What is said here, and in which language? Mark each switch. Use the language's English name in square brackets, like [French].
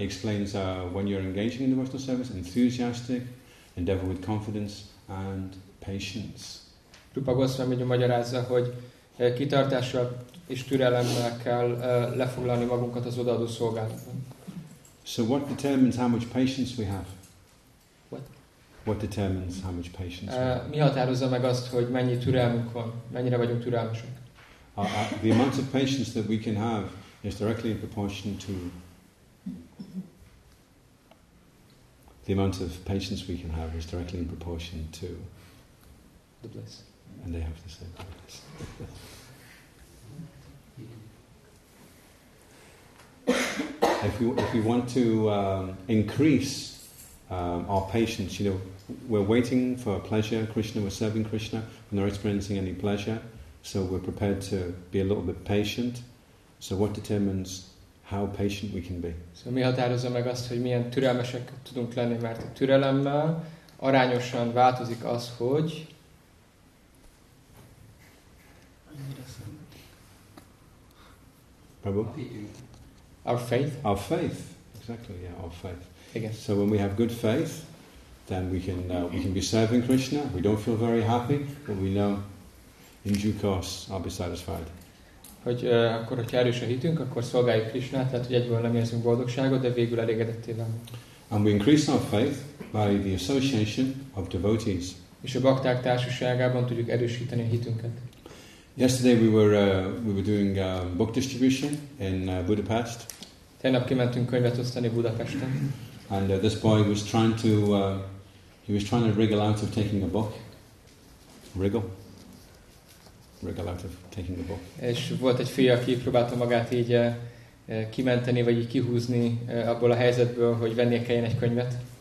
[English] He explains when you're engaging in the devotional service, enthusiastic, endeavor with confidence and patience. [Hungarian] Rupa Goswami magyarázza, hogy kitartással és türelemmel kell lefoglalni magunkat az odaadó szolgálatban. [English] So what determines how much patience we have? What? What determines how much patience we have? [Hungarian] Mi határozza meg azt, hogy mennyi türelmünk van, mennyire vagyunk türelmesek? [English] The amount of patience that we can have is directly in proportion to the amount of patience we can have is directly in proportion to the bliss. And they have to say the bliss. If we want to increase our patience, we're waiting for pleasure. Krishna, we're serving Krishna. We're not experiencing any pleasure, so we're prepared to be a little bit patient. So, what determines how patient we can be? [Hungarian] So, mi határozza meg azt, hogy milyen türelmesek tudunk lenni, mert a türelemmel arányosan változik az, hogy. [English] Prabhu? Our faith, exactly. Yeah, our faith. Again. So when we have good faith, then we can be serving Krishna. We don't feel very happy, but we know in due course I'll be satisfied. [Hungarian] Hogy akkor, hogyha erős a hitünk, akkor szolgáljuk Krishnát, tehát hogy egyből nem érzünk boldogságot, de végül elégedetté válunk. [English] And we increase our faith by the association of devotees. [Hungarian] És a bakták társaságában tudjuk erősíteni a hitünket. [English] Yesterday we were doing book distribution in Budapest. [Hungarian] Tegnap kimentünk könyvet osztani Budapesten. [English] And this boy was trying to wriggle out of taking a book. Wriggle out of taking a book. [Hungarian] És volt egy fiú, aki próbálta magát így kimenteni vagy így kihúzni abból a helyzetből, hogy vennie kelljen egy könyvet.